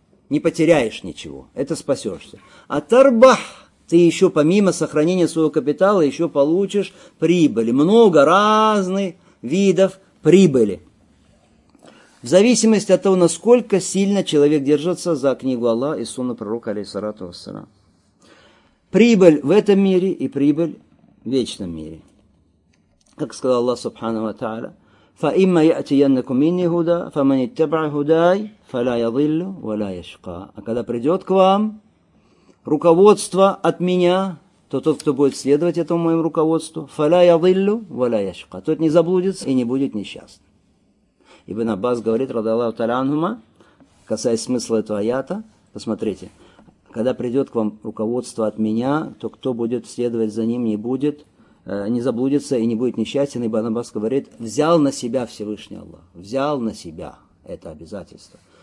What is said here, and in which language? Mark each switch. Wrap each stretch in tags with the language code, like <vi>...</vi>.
<ru>Не потеряешь ничего, это спасешься. А тарбах, ты еще помимо сохранения своего капитала, еще получишь прибыли. Много разных видов прибыли. В зависимости от того, насколько сильно человек держится за книгу Аллаха и сунну пророка, алейхиссалату вассалям. Прибыль в этом мире и прибыль в вечном мире. Как сказал Аллах, субхану ва тааля,</ru> <ar>فَإِمَّا يَأْتِيَنَّكُمْ مِنِّي هُدَى فَمَنِ اتَّبَعَ هُدَايَ فَلَا يَضِلُّ وَلَا يَشْقَى.</ar> <ru>А когда придет к вам руководство от меня, то тот, кто будет следовать этому моему руководству,</ru> <ar>فَلَا يَضِلُّ وَلَا يَشْقَى,</ar> <ru>тот не заблудится и не будет несчастным. Ибн Аббас говорит,</ru> <ar>رضي الله تعالى عنهما,</ar> <ru>касаясь смысла этого аята, посмотрите, когда придет к вам руководство от меня, то кто будет следовать за ним, не заблудится и не будет несчастен, ибо Аббас говорит, взял на себя Всевышний Аллах, взял на себя это обязательство.</ru>